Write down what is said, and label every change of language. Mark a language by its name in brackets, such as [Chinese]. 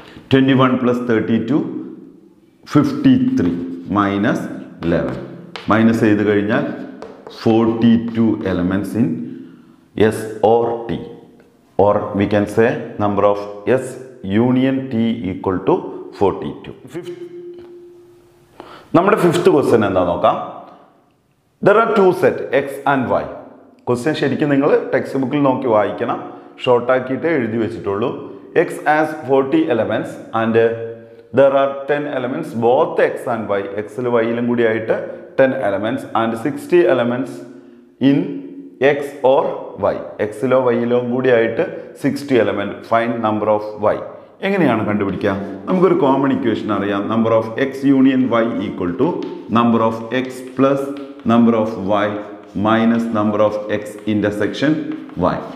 [English] 21 plus 32 53 minus 11, minus ചെയ്ത് കഴിഞ്ഞാൽ 42 elements in S or T, or we can say number of S union T equal to 42. [Malayalam] നമ്മുടെ fifth question എന്താ നോക്കാം. [English] There are two set X and Y. [Malayalam] Question ശരിക്കും നിങ്ങൾ text ബുക്കിൽ നോക്കി വായിക്കണം, ഷോർട്ടാക്കിയിട്ടേ എഴുതി വെച്ചിട്ടുള്ളൂ. [English] X has 40 elements and there are 10 elements both X and Y. X [Malayalam] ഇൽ വൈയിലും കൂടി ആയിട്ട് [English] 10 elements and 60 elements in X or Y. [Malayalam] X law വൈയിലോ കൂടി ആയിട്ട് 60 element. [English] Find number of Y. [Malayalam] എങ്ങനെയാണ് കണ്ടുപിടിക്കുക? നമുക്കൊരു കോമൺ ഇക്വേഷൻ അറിയാം, [English] Number of X union Y equal to number of X plus number of Y minus number of X intersection Y.